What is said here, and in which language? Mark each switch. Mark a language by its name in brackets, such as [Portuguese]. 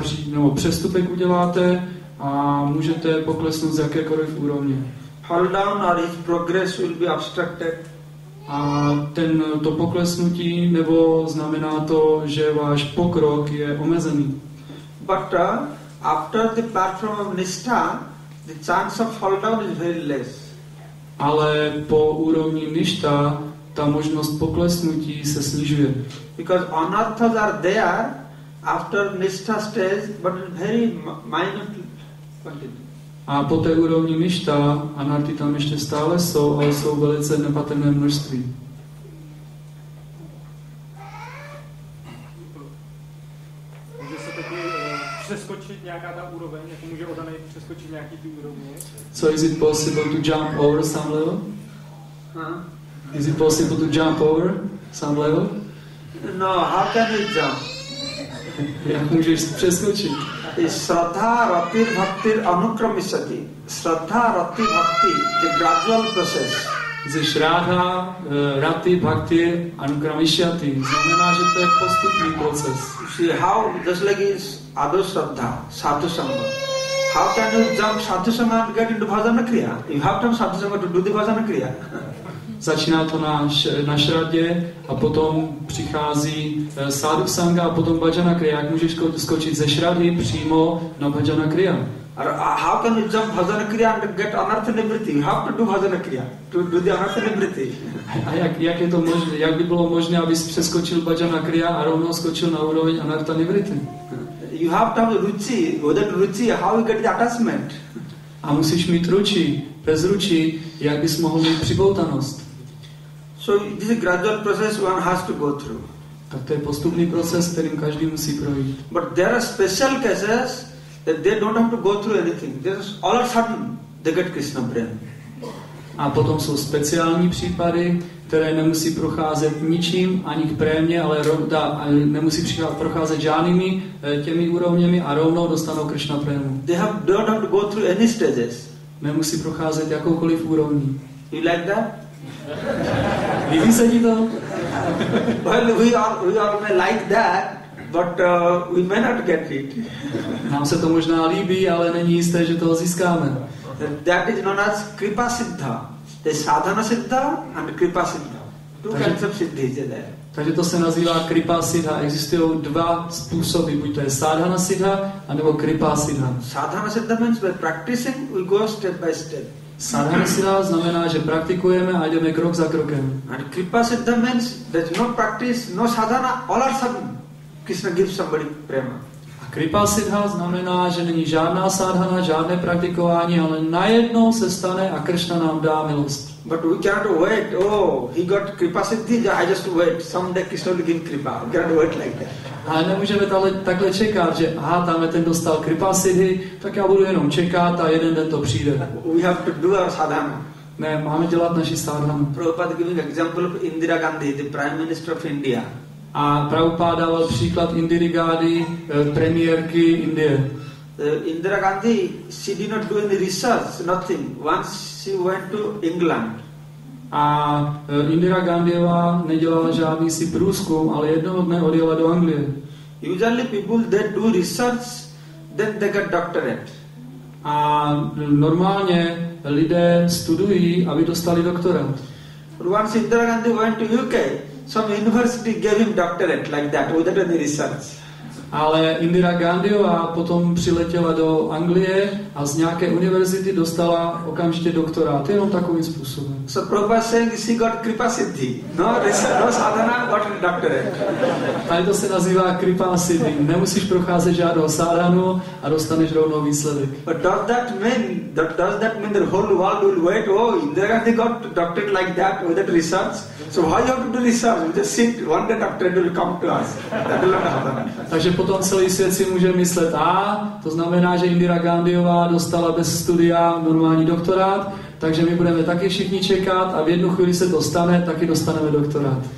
[Czech] Nebo přestupek uděláte a můžete poklesnout z jakékoliv úrovně. [English] Fall down or his progress will be obstructed. [Czech] A to poklesnutí nebo znamená to, že váš pokrok je omezený. [English] But after the platform of nishtha, the chance of fall down is very less. [Czech] Ale po úrovni nishtha ta možnost poklesnutí se snižuje. [English] Because anarthas are there after nishtha stage, but very minor quantity. [Czech] A po té úrovni nishtha, anarty tam ještě stále jsou, ale jsou velice nepatrné množství. Může se taky přeskočit nějaká ta úroveň, jako může odaný přeskočit nějaký ty úrovně? [English] So is it possible to jump over some level? Huh? Is it possible to jump over some level? No, how can it jump? [Czech] Jak můžeš přeskočit? [Sanskrit] Shraddha rati bhakti anukramisati. Shraddha rati bhakti. [English] The gradual process. [Sanskrit] ze Shraddha, Rati, Bhakti, Anukramishyati. [Czech] Znamená, že to je postupný proces. [English] See how just like is Adho Shraddha, Sadhu Sangha. How can you jump Sadhu Sangha and get into Bhajana Kriya? You have to jump Sadhu Sangha to do the Bhajana Kriya. [Czech] Začíná to na Shraddhě a potom přichází Sadhu Sangha a potom Bhajana Kriya. Jak můžeš skočit ze Shraddhy přímo na Bhajana Kriya? [English] Or how can you jump bhajana kriya and get anartha nivritti? You have to do bhajana kriya to do the anartha nivritti. [Czech] A jak je to možné? Jak by bylo možné, abys přeskočil bhajana kriya a rovnou skočil na úroveň anartha nivritti? [English] You have to have ruchi. Without ruchi, how you get the attachment? [Czech] A musíš mít ruchi. Bez ruchi, jak bys mohl mít připoutanost? [English] So this is a gradual process one has to go through. [Czech] Tak to je postupný proces, kterým každý musí projít. [English] But there are special cases that they don't have to go through anything. Just all of a sudden, they get Krishna prem. [Czech] A potom jsou speciální případy, které nemusí procházet ničím, ani k prémě, ale nemusí procházet žádnými těmi úrovněmi a rovnou dostanou Krishna prému. [English] They don't have to go through any stages. [Czech] Nemusí procházet jakoukoliv úrovní. [English] You like that? [Czech] Líbí se ti to? [English] Well, we all like that. But we may not get it. [Czech] Nám se to možná líbí, ale není jisté, že toho získáme. [English] That is known as Kripa Siddha. To je Sadhana Siddha and Kripa Siddha. Two kinds of Siddhi is there. [Czech] Takže to se nazývá Kripa Siddha. Existují dva způsoby, buď to je Sadhana Siddha, anebo Kripa Siddha. [English] Sadhana Siddha means by practicing, we go step by step. [Czech] Sadhana Siddha znamená, že praktikujeme a jdeme krok za krokem. [English] And Kripa Siddha means there's no practice, no sadhana, all are sudden. Krishna gives somebody prema. [Czech] A Kripa Siddha znamená, že není žádná sadhana, žádné praktikování, ale najednou se stane a Krishna nám dá milost. [English] But we cannot wait. Oh, he got Kripa Siddhi, I just wait. Someday Krishna will give Kripa. We cannot wait like that. [Czech] A nemůžeme ale takhle čekat, že tamhle ten dostal Kripa Siddhi, tak já budu jenom čekat a jeden den to přijde. [English] We have to do our sadhana. [Czech] Ne, máme dělat naši sadhana. [English] Prabhupada giving example of Indira Gandhi, the Prime Minister of India. [Czech] A Prabhupada dával příklad Indiry Gandhi, premiérky Indie. [English] Indira Gandhi, she did not do any research, nothing. Once she went to England. [Czech] A Indira Gandhiová nedělala žádný si průzkum, ale jednoho dne odjela do Anglie. [English] Usually people that do research, then they get doctorate. [Czech] A normálně lidé studují, aby dostali doktorát. [English] But once Indira Gandhi went to UK, some university gave him doctorate like that without any research. [Czech] Ale Indira Gandhiová potom přiletěla do Anglie a z nějaké univerzity dostala okamžitě doktorát jenom takovým způsobem. [English] So Prabhupada saying she got Kripa Siddhi. No research, no sadhana, got doctorate. [Czech] Tady to se nazývá Kripa Siddhi. Nemusíš procházet žádnou sadhanu a dostaneš rovnou výsledek. [English] But does that mean the whole world will wait? Oh, Indira Gandhi got doctorate like that without research. So why you have to do research? You just sit, one day doctorate will come to us. That will not happen. [Czech] Takže potom celý svět si může myslet, to znamená, že Indira Gandhiová dostala bez studia normální doktorát, takže my budeme taky všichni čekat a v jednu chvíli se to stane, taky dostaneme doktorát.